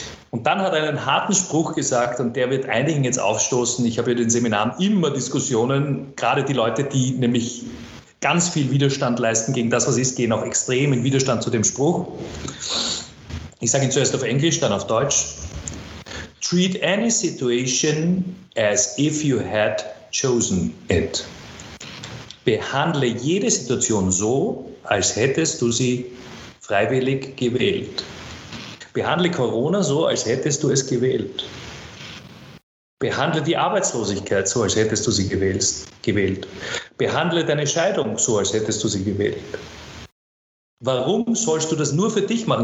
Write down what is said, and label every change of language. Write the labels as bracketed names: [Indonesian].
[German] Und dann hat er einen harten Spruch gesagt und der wird einigen jetzt aufstoßen. Ich habe ja in den Seminaren immer Diskussionen, gerade die Leute, die nämlich ganz viel Widerstand leisten gegen das, was ist, gehen auch extrem in Widerstand zu dem Spruch. Ich sage ihn zuerst auf Englisch, dann auf Deutsch. [English] Treat any situation as if you had chosen it. [German] Behandle jede Situation so, als hättest du sie freiwillig gewählt. Behandle Corona so, als hättest du es gewählt. Behandle die Arbeitslosigkeit so, als hättest du sie gewählt. Behandle deine Scheidung so, als hättest du sie gewählt. Warum sollst du das nur für dich machen?